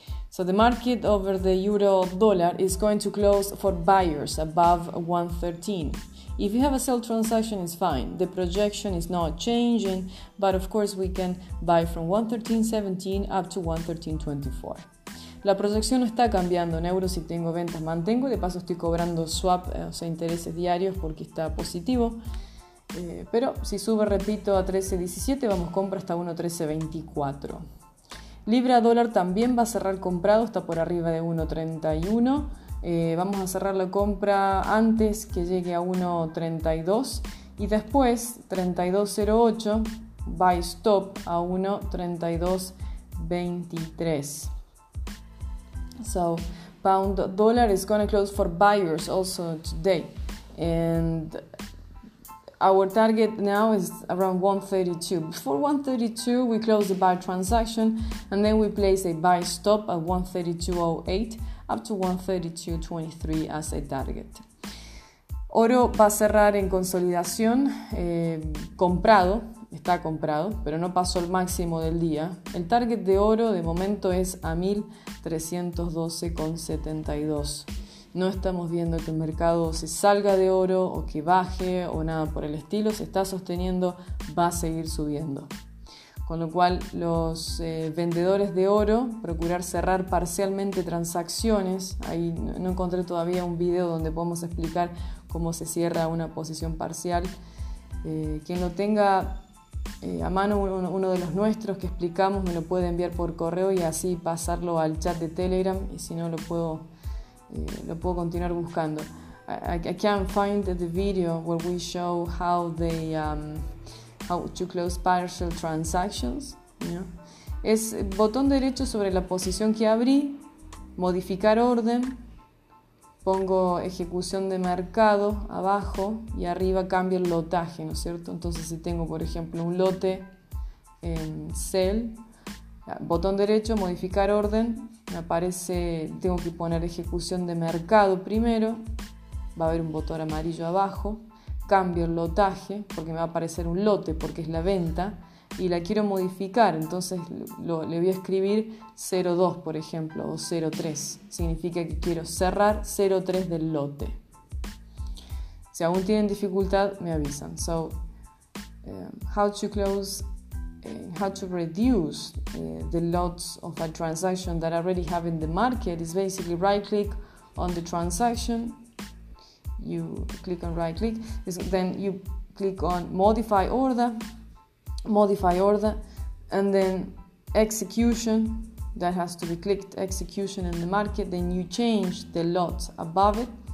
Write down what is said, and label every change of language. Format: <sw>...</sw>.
<en>So the market over the euro dollar is going to close for buyers above 1.13. If you have a sell transaction, it's fine. The projection is not changing, but of course we can buy from 1.1317 up to 1.1324.</en> <es>La proyección no está cambiando. En euros, si tengo ventas, mantengo. De paso, estoy cobrando swap, o sea, intereses diarios, porque está positivo. Pero si sube, repito, a 13.17, vamos compra hasta 1.1324. Libra dólar también va a cerrar comprado, está por arriba de 1.31. Vamos a cerrar la compra antes que llegue a 1.32. Y después, 32.08, buy stop a 1.3223.</es> <en>So, pound dólar is going to close for buyers also today. And our target now is around 1.32. Before 1.32, we close the buy transaction and then we place a buy stop at 1.3208 up to 1.3223 as a target.</en> <es>Oro va a cerrar en consolidación, comprado, está comprado, pero no pasó el máximo del día. El target de oro de momento es a 1.312.72. No estamos viendo que el mercado se salga de oro o que baje o nada por el estilo. Se está sosteniendo, va a seguir subiendo. Con lo cual, los vendedores de oro, procurar cerrar parcialmente transacciones. Ahí no encontré todavía un video donde podemos explicar cómo se cierra una posición parcial. Quien lo tenga a mano, uno de los nuestros que explicamos, me lo puede enviar por correo y así pasarlo al chat de Telegram. Y si no, lo puedo continuar buscando.</es> <en>I can't find the video where we show how they how to close partial transactions. Yeah.</en> <es>Es botón derecho sobre la posición que abrí, modificar orden, pongo ejecución de mercado abajo y arriba cambio el lotaje, ¿no es cierto? Entonces, si tengo, por ejemplo, un lote en sell, botón derecho, modificar orden, me aparece, tengo que poner ejecución de mercado primero, va a haber un botón amarillo abajo, cambio el lotaje, porque me va a aparecer un lote, porque es la venta, y la quiero modificar, entonces le voy a escribir 02, por ejemplo, o 03, significa que quiero cerrar 03 del lote. Si aún tienen dificultad, me avisan.</es> <en>So, how to close, how to reduce the lots of a transaction that I already have in the market is basically right click on the transaction. You click on right click, then you click on modify order, and then execution, that has to be clicked, execution in the market, then you change the lot above it.</en>